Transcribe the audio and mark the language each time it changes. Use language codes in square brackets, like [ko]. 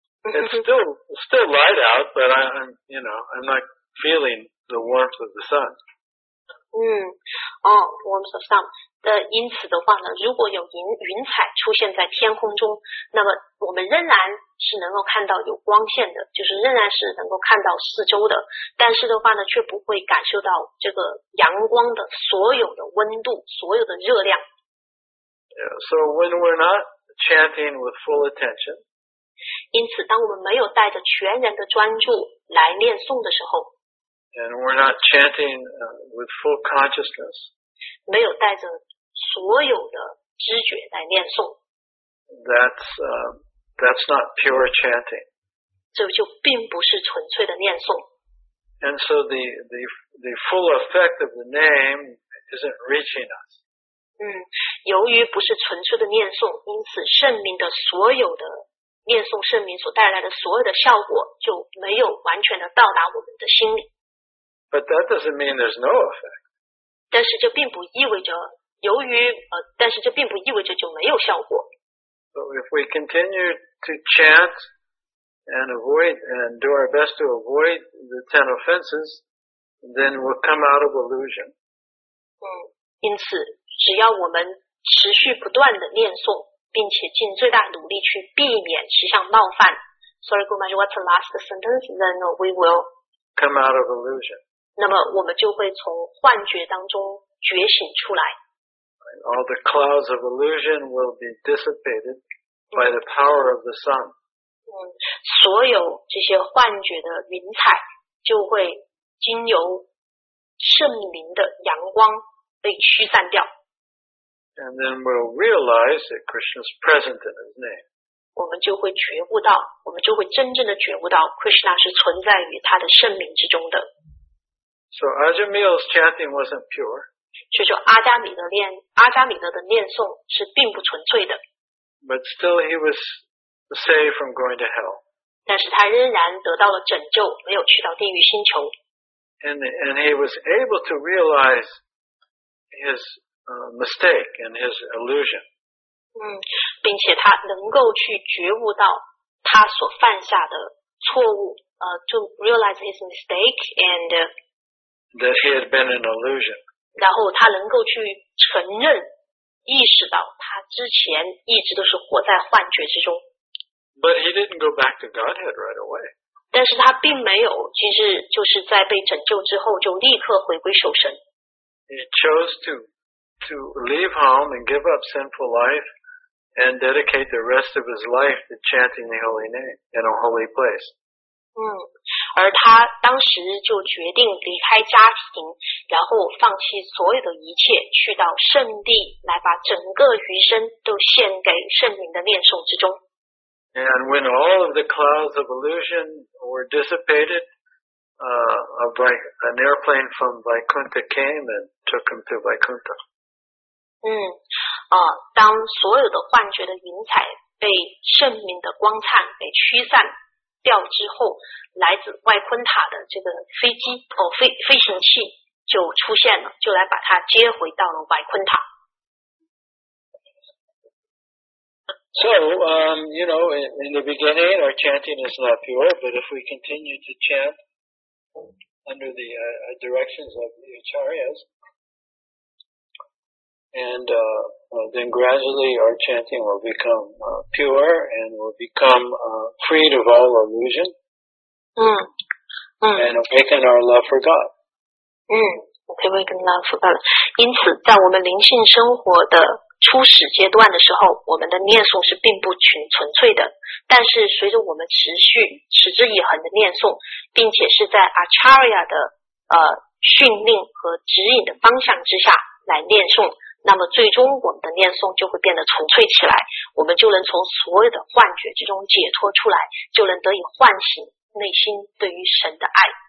[en] It's still light out, but I'm not feeling the warmth of the sun. Forms of sound. [zh] 因此的话呢，如果有云彩出现在天空中，那么我们仍然是能够看到有光线的，就是仍然是能够看到四周的，但是的话呢，却不会感受到这个阳光的所有的温度，所有的热量。 [en] Yeah, so when we're not chanting with full attention, [zh] 因此当我们没有带着全然的专注来念诵的时候， [en] and we're not chanting with full consciousness, [zh] 没有带着所有的知觉来念诵， [en] that's not pure chanting. [zh] 这就并不是纯粹的念诵。 [en] And so the full effect of the name isn't reaching us. [zh] 由于不是纯粹的念诵，因此圣名的所有的念诵圣名所带来的所有的效果就没有完全的到达我们的心里。 [en] But that doesn't mean there's no effect. [zh] 但是这并不意味着由于但是这并不意味着就没有效果。 [en] So if we continue to chant and do our best to avoid the ten offenses, then we'll come out of illusion. [zh] 因此只要我们持续不断的念诵，并且尽最大努力去避免十项冒犯。 [en] Sorry, Gurmaj, what's the last sentence? Then we will come out of illusion. [zh] 那么我们就会从幻觉当中觉醒出来。 [en] All the clouds of illusion will be dissipated by the power of the sun. [zh] 所有这些幻觉的云彩就会经由圣灵的阳光被驱散掉。 [en] And then we'll realize that Krishna's present in his name. [zh] 我们就会觉悟到，我们就会真正的觉悟到 ，Krishna 是存在于他的圣名之中的。 [en] So Ajamil's chanting wasn't pure. [zh] 所以说阿加米德的念诵是并不纯粹的。 [en] But still he was saved from going to hell. [zh] 但是他仍然得到了拯救，没有去到地狱星球。 [en] And he was able to realize his mistake and his illusion. [zh] 并且他能够去觉悟到他所犯下的错误 [en] to realize his mistake and that he had been an illusion. [zh] 然后他能够去承认意识到他之前一直都是活在幻觉之中。 [en] But he didn't go back to Godhead right away. [zh] 但是他并没有其实就是在被拯救之后就立刻回归守神。 [en] He chose to leave home and give up sinful life and dedicate the rest of his life to chanting the holy name in a holy place. [zh] 而他当时就决定离开家庭，然后放弃所有的一切，去到圣地来把整个余生都献给圣灵的念诵之中。 [en] And when all of the clouds of illusion were dissipated, an airplane from Vaikuntha came and took him to Vaikuntha. [zh] 当所有的幻觉的云彩被圣明的光灿给驱散掉之后，来自外昆塔的这个飞机飞行器就出现了，就来把它接回到了外昆塔。 [en] So, you know, in the beginning, our chanting is not pure, but if we continue to chant under the directions of the acharyas,then gradually our chanting will become pure and will become freed of all illusion and awaken our love for God. Awaken love for God. [zh] 因此在我们灵性生活的初始阶段的时候，我们的念诵是并不纯粹的，但是随着我们持续持之以恒的念诵，并且是在 Acharya 的训令和指引的方向之下来念诵，那么最终我们的念诵就会变得纯粹起来，我们就能从所有的幻觉之中解脱出来，就能得以唤醒内心对于神的爱。